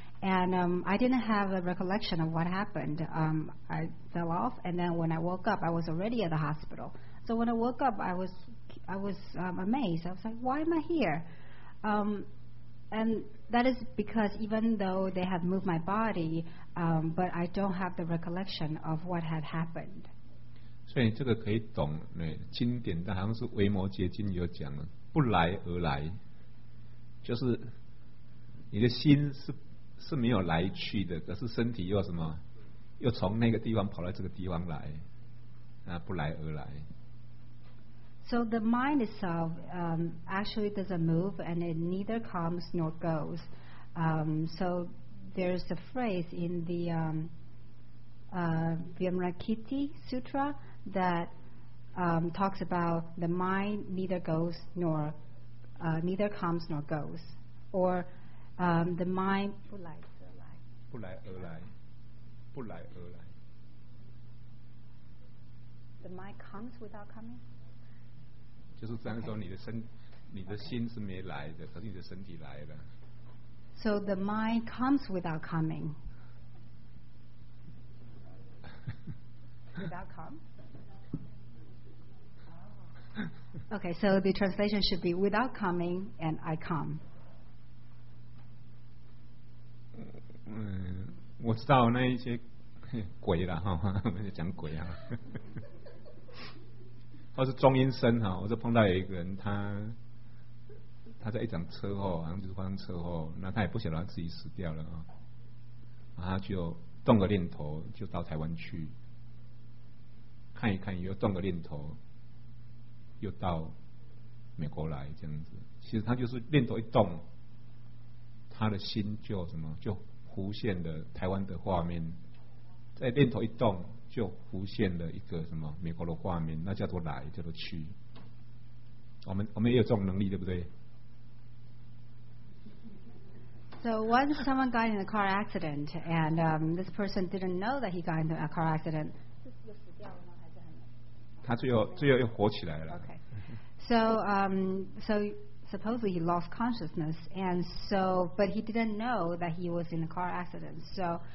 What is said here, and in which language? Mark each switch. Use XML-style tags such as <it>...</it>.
<en>And I didn't have a recollection of what happened. I fell off, and then when I woke up, I was already at the hospital. So when I woke up, I was amazed. I was like, why am I here? And that is because even though they have moved my body, but I don't have the recollection of what had happened.</en> <zh>所以这个可以懂，经典的好像是《维摩诘经》有讲，不来而来，就是你的心 是没有来去的，可是身体又什么又从那个地方跑到这个地方来，那不来而来。</zh> <en>So the mind itself actually doesn't move and it neither comes nor goes. So there's a phrase in the Vimrakiti Sutra that talks about the mind neither goes nor neither comes nor goes. Or the mind</en> <zh>不来而来，不来而来，不来而来。</zh> <en>The mind comes without coming?</en> <zh>就是这样说，你的身、你的心是没来的，可是你的身体来</zh> <en>了。So the mind comes without coming. Without come? Okay, so the translation should be without coming and I come.</en> <zh>嗯，我知道那一些鬼啦，哈，我就讲鬼啊。或是中阴身，我就碰到有一个人，他在一场车祸，好像就是发生车祸，那他也不晓得他自己死掉了，然后他就动个念头就到台湾去看一看，又动个念头又到美国来，这样子。其实他就是念头一动，他的心就什么就浮现了台湾的画面，在念头一动就浮现了一个什么美国的画面，那叫做来，叫做去。我们也有这种能力，对不对</zh> <en>？So once someone got in a car accident, and this person didn't know that he got into a car accident.</en> <zh>他最后又活起来了。</zh> <en>Okay. So so supposedly he lost consciousness, and so but he didn't know that he was in a car accident. So.</en>